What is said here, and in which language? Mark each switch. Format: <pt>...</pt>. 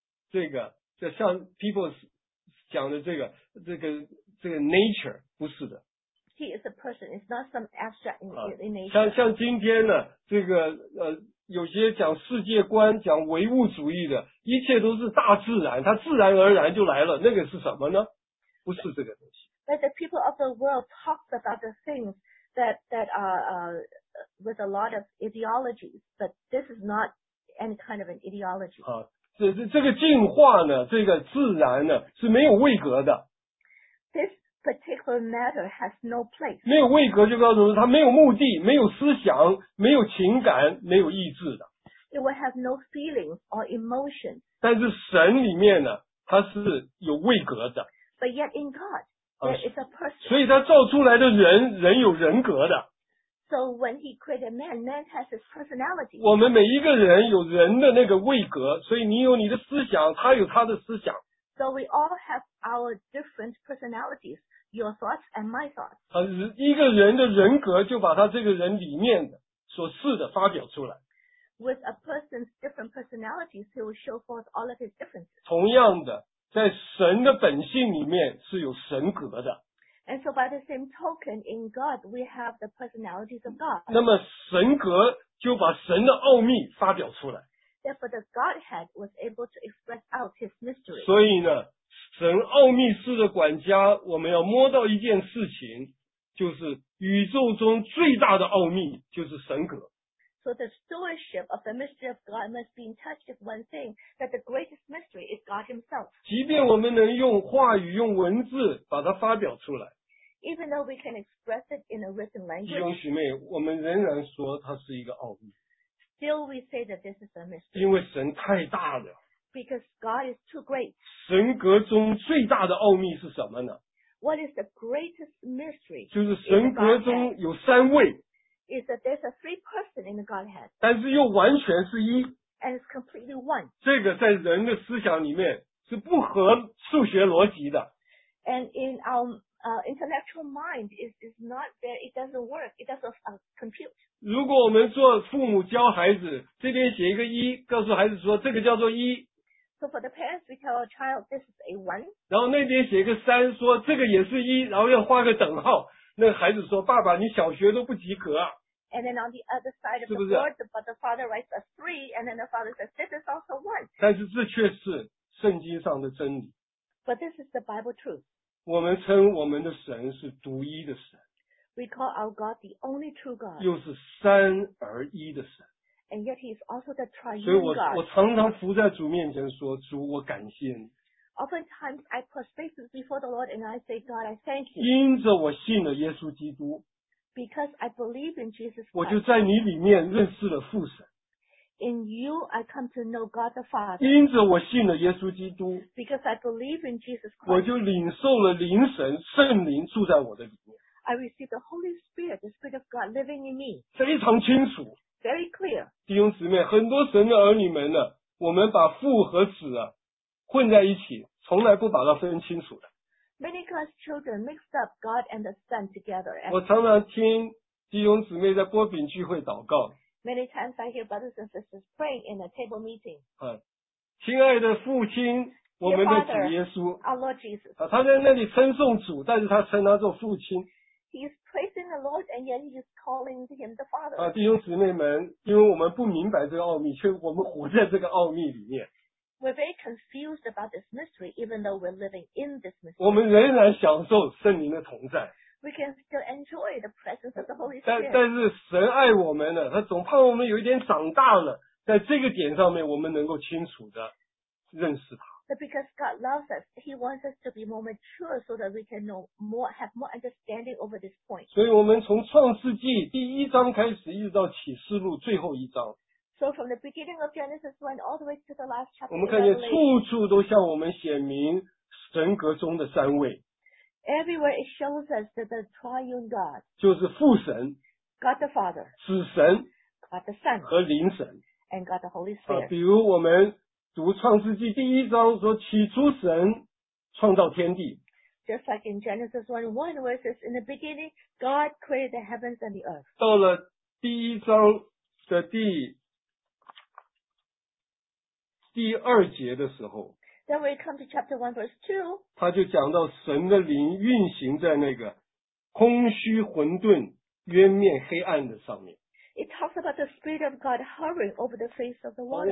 <zh>这个就像</zh> <en>people</en> <zh>讲的这个</zh> <en>nature</en> <zh>不是的。</zh> <en>He is a person. It's not some abstract in nature.</en> <zh>像今天呢，这个有些讲世界观、讲唯物主义的，一切都是大自然，它自然而然就来了。那个是什么呢？不是这个东西。</zh> <en>But the people of the world talk about the things that are with a lot of ideologies, but this is not any kind of an ideology.</en> <zh>这个进化呢，这个自然呢是没有位格的。</zh> <en>This particular matter has no place.</en> <zh>没有位格就告诉他没有目的，没有思想，没有情感，没有意志的。</zh> <en>It will have no feelings or emotions.</en> <zh>但是神里面呢，它是有位格的。</zh> <en>But yet in God.</en> <zh>所以他造出来的人有人格的。</zh> <en>So when he created man has his personality.</en> <zh>我们每一个人有人的那个位格，所以你有你的思想，他有他的思想。</zh> <en>So we all have our different personalities, your thoughts and my thoughts.</en> <zh>一个人的人格就把他这个人里面的所示的发表出来。</zh> <en>With a person's different personalities, he will show forth all of his differences.</en> <zh>同样的。在神的本性里面是有神格的。</zh> <en>And so by the same token, in God, we have the personalities of God.</en> <zh>那么神格就把神的奥秘发表出来。</zh> <en>Therefore, the Godhead was able to express out his mystery.</en> <zh>所以呢，神奥秘式的管家，我们要摸到一件事情，就是宇宙中最大的奥秘就是神格。</zh> <en>So the stewardship of the mystery of God must be in touch with one thing, that the greatest mystery is God himself.</en> <zh>即便我们能用话语用文字把它发表出来。</zh> <en>Even though we can express it in a written language.</en> <zh>弟兄姊妹，我们仍然说它是一个奥秘。</zh> <en>Still we say that this is a mystery.</en> <zh>因为神太大了。</zh> <en>Because God is too great.</en> <zh>神格中最大的奥秘是什么呢？</zh> <en>What is the greatest mystery?</en> <zh>就是神格中有三位。</zh> <en>Is that there's a three person in the Godhead.</en> <zh>但是又完全是一。</zh> <en>And it's completely one.</en> <zh>这个在人的思想里面是不合数学逻辑的。</zh> <en>And in our intellectual mind, it's not there, it doesn't work, it doesn't compute.</en> <zh>如果我们做父母教孩子，这边写一个一，告诉孩子说这个叫做一。</zh> <en>So for the parents, we tell our child this is a one.</en> <zh>然后那边写一个三，说这个也是一，然后要画个等号。那个孩子说：“爸爸，你小学都不及格。”</zh> <en>And then on the other side of the board, but the father writes a three, and then the father says, "This is also one."</en> <zh>但是这却是圣经上的真理。</zh> <en>But this is the Bible truth.</en> <zh>我们称我们的神是独一的神。</zh> <en>We call our God the only true God.</en> <zh>又是三而一的神。</zh> <en>And yet He is also the triune God.</en> <zh>所以我常常伏在主面前说：“主，我感谢你。”</zh> <en>Oftentimes I prostrate before the Lord and I say, God, I thank you.</en> <zh>因着我信了耶稣基督。</zh> <en>Because I believe in Jesus Christ.</en> <zh>我就在你里面认识了父神。</zh> <en>In you, I come to know God the Father.</en> <zh>因着我信了耶稣基督。</zh> <en>Because I believe in Jesus Christ.</en> <zh>我就领受了灵神，圣灵住在我的里面。</zh> <en>I receive the Holy Spirit, the Spirit of God living in me.</en> <zh>非常清楚。</zh> <en>Very clear.</en> <zh>弟兄姊妹，很多神的儿女们呢，我们把父和子啊混在一起，从来不把它分清楚的。</zh> <en>Many God's children mixed up God and the Son together.</en> <zh>我常常听弟兄姊妹在波饼聚会祷告。</zh> <en>Many times I hear brothers and sisters praying in a table meeting.</en> <zh>亲爱的父亲我们的主耶稣</zh> <en>Our Lord Jesus.</en> <zh>他在那里称颂主，但是他称他做父亲。</zh> <en>He's praising the Lord and yet he's calling him the Father.</en> <zh>啊，弟兄姊妹们，因为我们不明白这个奥秘，却我们活在这个奥秘里面。</zh> <en>We're very confused about this mystery, even though we're living in this mystery.</en> <zh>我们仍然享受圣灵的同在。</zh> <en>We can still enjoy the presence of the Holy Spirit.</en> <zh>但是神爱我们了，他总怕我们有一点长大了，在这个点上面，我们能够清楚的认识他。</zh> <en>But because God loves us, He wants us to be more mature so that we can know more, have more understanding over this point.</en> <zh>所以我们从创世纪第一章开始，一直到启示录最后一章。</zh> <en>So from the beginning of Genesis 1 all the way to the last chapter.</en> <zh>我们看见处处都向我们显明神格中的三位。</zh> <en>Everywhere it shows us that the triune God</en> <zh>就是父神</zh> <en>God the Father</en> <zh>子神</zh> <en>God the Son</en> <zh>和灵神</zh> <en>and God the Holy Spirit、</en> <zh>啊、比如我们读创世纪第一章说起初神创造天地</zh> <en>Just like in Genesis 1:1 where it says in the beginning God created the heavens and the earth</en> <zh>到了第一章的第二节的时候</zh> <en>Then we come to chapter 1 verse 2.</en> <zh>他就讲到神的灵运行在那个空虚混沌渊面黑暗的上面。</zh> <en>It talks about the spirit of God hovering over the face of the water.</en>